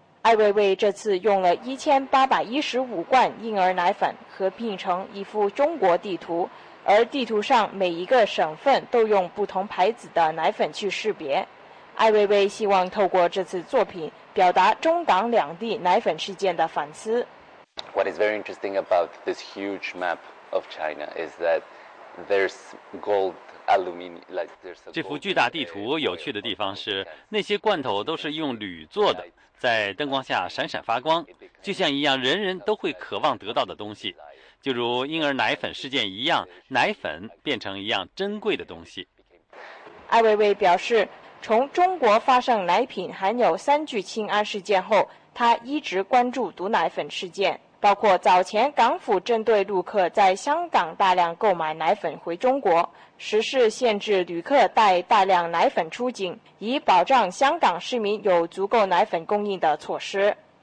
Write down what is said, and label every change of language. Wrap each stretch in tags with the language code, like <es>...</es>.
<zh>艾薇薇这次用了1815罐婴儿奶粉合拼成一幅中国地图，而地图上每一个省份都用不同牌子的奶粉去识别。艾薇薇希望透过这次作品表达中港两地奶粉事件的反思。</zh> <en>What is very interesting about this huge map of China is that there's gold aluminium, like there's a gold.</en> <zh>这幅巨大地图有趣的地方是那些罐头都是用铝做的，在灯光下闪闪发光，就像一样人人都会渴望得到的东西，就如婴儿奶粉事件一样，奶粉变成一样珍贵的东西。艾薇薇表示，从中国发生奶品含有三聚氰胺事件后，她一直关注毒奶粉事件，包括早前港府针对陆客在香港大量购买奶粉回中国，实施限制旅客带大量奶粉出境，以保障香港市民有足够奶粉供应的措施。</zh>